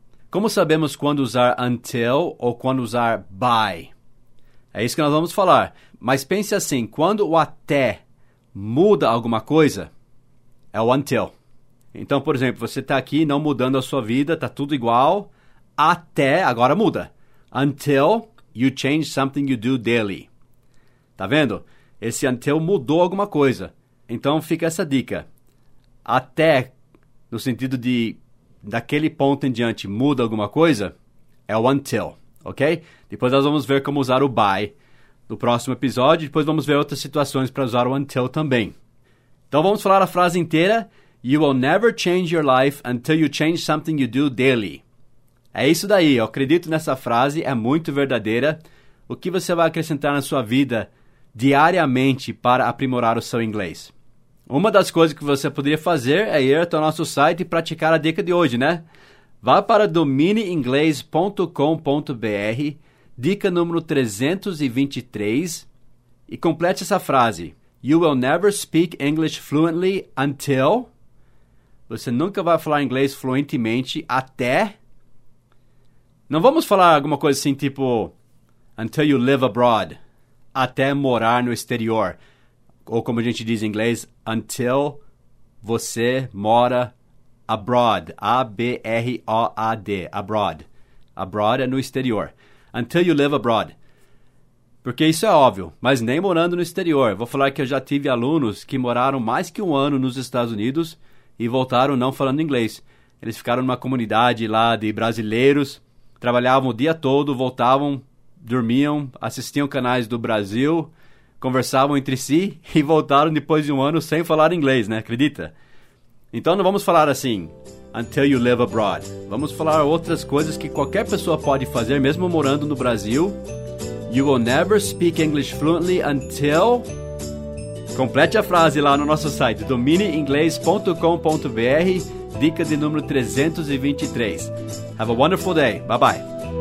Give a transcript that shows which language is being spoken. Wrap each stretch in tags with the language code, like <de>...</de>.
<pt>Como sabemos quando usar until ou quando usar by? É isso que nós vamos falar. Mas pense assim, quando o até muda alguma coisa, É o until. Então, por exemplo, você está aqui não mudando a sua vida, está tudo igual, até, agora muda.</pt> <en>Until you change something you do daily.</en> <pt>Tá vendo? Esse until mudou alguma coisa. Então, fica essa dica. Até, no sentido de daquele ponto em diante muda alguma coisa, é o until, ok? Depois nós vamos ver como usar o by no próximo episódio. Depois vamos ver outras situações para usar o until também. Então, vamos falar a frase inteira.</pt> <en>You will never change your life until you change something you do daily.</en> <pt>É isso daí. Eu acredito nessa frase. É muito verdadeira. O que você vai acrescentar na sua vida diariamente para aprimorar o seu inglês? Uma das coisas que você poderia fazer é ir até o nosso site e praticar a dica de hoje, né? Vá para domineinglês.com.br, dica número 323, e complete essa frase.</pt> <en>You will never speak English fluently until...</en> <pt>Você nunca vai falar inglês fluentemente até... Não vamos falar alguma coisa assim, tipo...</pt> <en>Until you live abroad.</en> <pt>Até morar no exterior. Ou como a gente diz em inglês, until você mora abroad. A-B-R-O-A-D. Abroad. Abroad é no exterior.</pt> <en>Until you live abroad.</en> <pt>Porque isso é óbvio, mas nem morando no exterior. Vou falar que eu já tive alunos que moraram mais que um ano nos Estados Unidos e voltaram não falando inglês. Eles ficaram numa comunidade lá de brasileiros, trabalhavam o dia todo, voltavam, dormiam, assistiam canais do Brasil, conversavam entre si e voltaram depois de um ano sem falar inglês, né? Acredita? Então não vamos falar assim,</pt> <en>until you live abroad.</en> <pt>Vamos falar outras coisas que qualquer pessoa pode fazer, mesmo morando no Brasil.</pt> <en>You will never speak English fluently until...</en> <pt>Complete a frase lá no nosso site, domineinglês.com.br, dica de número 323.</pt> <en>Have a wonderful day. Bye-bye.</en>